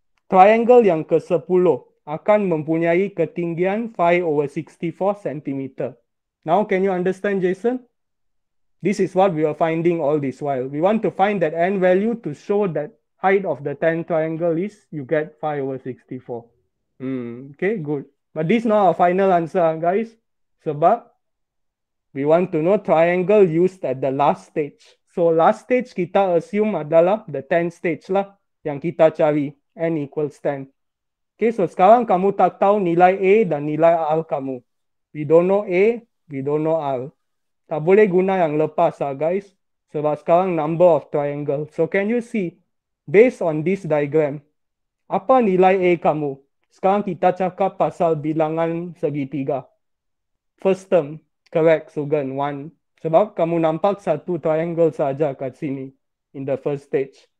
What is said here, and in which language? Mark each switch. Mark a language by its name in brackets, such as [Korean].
[Malay] Triangle yang ke-10 akan mempunyai ketinggian 5 over 64 centimeter. [English] Now, can you understand, Jason? This is what we are finding all this while. We want to find that n value to show that height of the 10 triangle is you get 5 over 64. Okay, good. But this is not our final answer, guys. [Malay] Sebab [English] we want to know triangle used at the last stage. So last stage [Malay] kita assume adalah [English] the 10 stage [Malay] lah yang kita cari, [English] n equals 10. [Malay] Okay, so sekarang kamu tak tahu nilai A dan nilai R kamu. [English] We don't know A, we don't know R. [Malay] Tak boleh guna yang lepas lah, guys. Sebab sekarang [English] number of triangle. So can you see, based on this diagram, [Malay] apa nilai A kamu? Sekarang kita cakap pasal bilangan segitiga. [English] First term, correct, [Malay] Sugan, 1. Sebab kamu nampak satu triangle saja kat sini, [English] in the first stage.